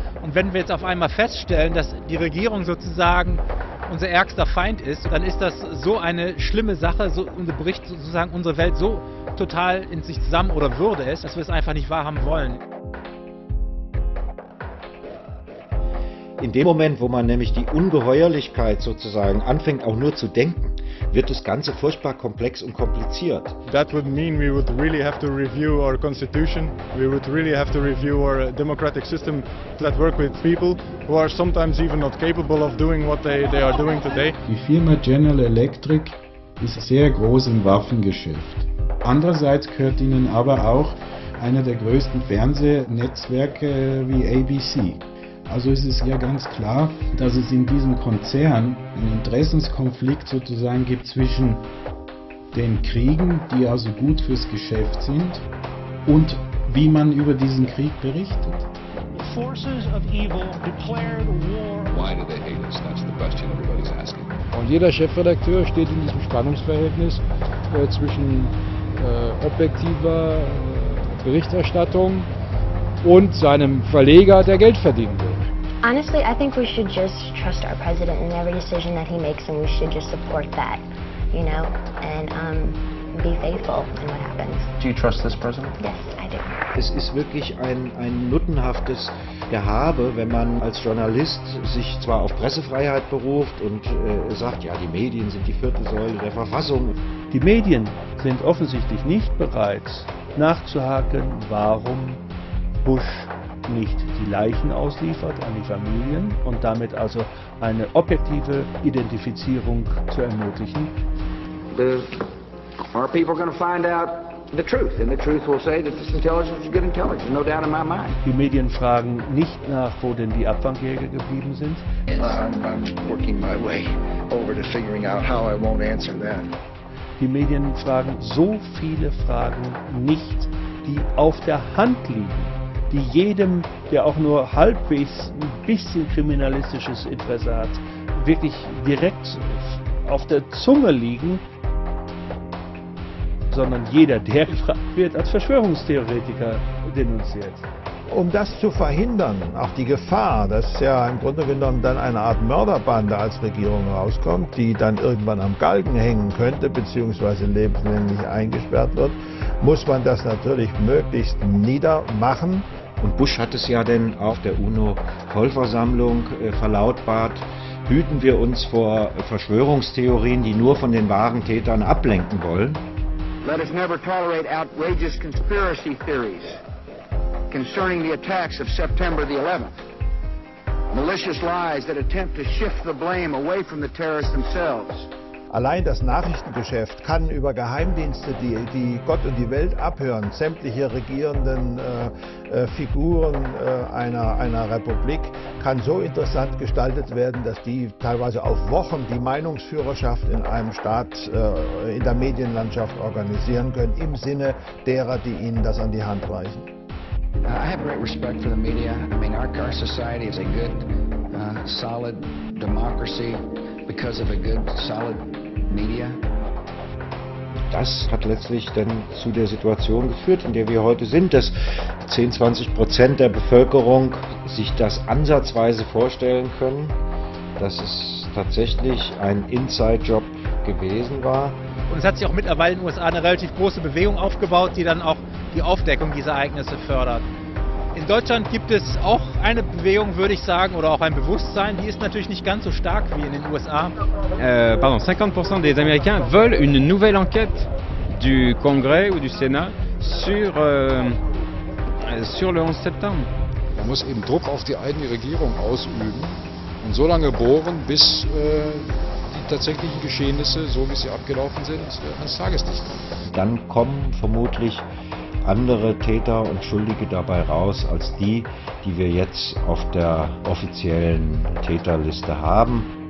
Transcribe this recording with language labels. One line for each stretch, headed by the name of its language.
German: Und wenn wir jetzt auf einmal feststellen, dass die Regierung sozusagen unser ärgster Feind ist, dann ist das so eine schlimme Sache, so bricht sozusagen unsere Welt so total in sich zusammen oder würde es, dass wir es einfach nicht wahrhaben wollen. In dem Moment, wo man nämlich die Ungeheuerlichkeit sozusagen anfängt, auch nur zu denken, wird das Ganze furchtbar komplex und kompliziert.
English: That would mean we would really have to review our constitution. We would really have to review our democratic system that work with people who are sometimes even not capable of doing what they are doing today.
German: Die Firma General Electric ist sehr groß im Waffengeschäft. Andererseits gehört ihnen aber auch einer der größten Fernsehnetzwerke wie ABC. Also es ist ja ganz klar, dass es in diesem Konzern einen Interessenskonflikt sozusagen gibt zwischen den Kriegen, die also gut fürs Geschäft sind, und wie man über diesen Krieg berichtet.
English: Forces of evil declared war. Why do they hate us? That's the question everybody's asking.
German: Und jeder Chefredakteur steht in diesem Spannungsverhältnis zwischen objektiver Berichterstattung und seinem Verleger, der Geld verdienen will.
English: Honestly, I think we should just trust our president in every decision that he makes, and we should just support that, you know, and be faithful in what happens. Do you trust this president? Yes, I do.
German: Es ist wirklich ein nuttenhaftes Gehabe, wenn man als Journalist sich zwar auf Pressefreiheit beruft und sagt, ja, die Medien sind die vierte Säule der Verfassung. Die Medien sind offensichtlich nicht bereit, nachzuhaken, warum Bush nicht die Leichen ausliefert an die Familien und damit also eine objektive Identifizierung zu ermöglichen.
English: Are people going to find out the truth? And the truth will say that this intelligence is good intelligence, no doubt in my mind.
German: Die Medien fragen nicht nach, wo denn die Abfangjäger geblieben sind.
English: I'm working my way over to figuring out how I won't answer that.
German: Die Medien fragen so viele Fragen nicht, die auf der Hand liegen, die jedem, der auch nur halbwegs ein bisschen kriminalistisches Interesse hat, wirklich direkt auf der Zunge liegen, sondern jeder, der gefragt wird, als Verschwörungstheoretiker denunziert. Um das zu verhindern, auch die Gefahr, dass ja im Grunde genommen dann eine Art Mörderbande als Regierung rauskommt, die dann irgendwann am Galgen hängen könnte, beziehungsweise lebenslänglich eingesperrt wird, muss man das natürlich möglichst niedermachen. Und Bush hat es ja denn auf der UNO-Vollversammlung verlautbart, hüten wir uns vor Verschwörungstheorien, die nur von den wahren Tätern ablenken wollen.
English: Let us never tolerate outrageous conspiracy theories concerning the attacks of September the 11th. Malicious lies that attempt to shift the blame away from the terrorists themselves.
German: Allein das Nachrichtengeschäft kann über Geheimdienste, die Gott und die Welt abhören, sämtliche regierenden Figuren einer Republik, kann so interessant gestaltet werden, dass die teilweise auf Wochen die Meinungsführerschaft in einem Staat in der Medienlandschaft organisieren können, im Sinne derer, die ihnen das an die Hand reichen.
English: I have great respect for the media. I mean, our society is a good, solid democracy. Because of a good, solid media.
German: Das hat letztlich dann zu der Situation geführt, in der wir heute sind, dass 10-20% der Bevölkerung sich das ansatzweise vorstellen können, dass es tatsächlich ein Inside-Job gewesen war. Und es hat sich auch mittlerweile in den USA eine relativ große Bewegung aufgebaut, die dann auch die Aufdeckung dieser Ereignisse fördert. In Deutschland gibt es auch eine Bewegung, würde ich sagen, oder auch ein Bewusstsein, die ist natürlich nicht ganz so stark wie in den USA.
French: 50% des Américains veulent une nouvelle enquête du Congrès ou du Sénat sur le 11 septembre.
German: Man muss eben Druck auf die eigene Regierung ausüben und so lange bohren, bis die tatsächlichen Geschehnisse, so wie sie abgelaufen sind, ans Tageslicht. Dann kommen vermutlich andere Täter und Schuldige dabei raus als die, die wir jetzt auf der offiziellen Täterliste haben.